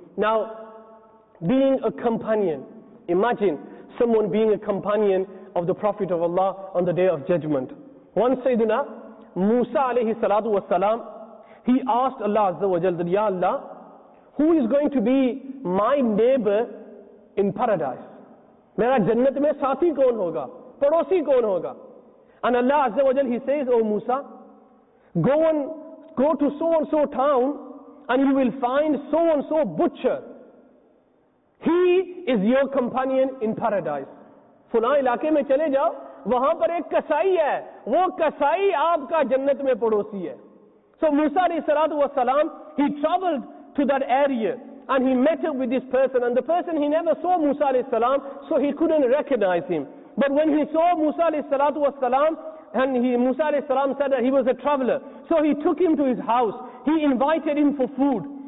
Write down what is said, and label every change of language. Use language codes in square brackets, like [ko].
[en] Now, being a companion, imagine someone being a companion of the Prophet of Allah on the Day of Judgment. One Sayyiduna, Musa alayhi salatu wa salam, he asked Allah Azza wa Jal, Ya Allah, who is going to be my neighbor in paradise? [ur] میرا جنت میں ساتھی کون ہوگا؟ پڑوسی کون ہوگا؟ [en] And Allah Azza wa Jal, he says, Oh Musa, go to so and so town, and you will find so-and-so butcher. He is your companion in paradise. [ur] فلاں علاقے میں چلے جاؤ، وہاں پر ایک قصائی ہے۔ وہ قصائی آپکا جنت میں پڑوسی ہے۔ [en] So Musa alayhi salatu wa salam, he traveled to that area. And he met up with this person. And the person, he never saw Musa alayhi salam, so he couldn't recognize him. But when he saw Musa alayhi salatu wa salam, and Musa alayhi salam said that he was a traveler. So he took him to his house. He invited him for food.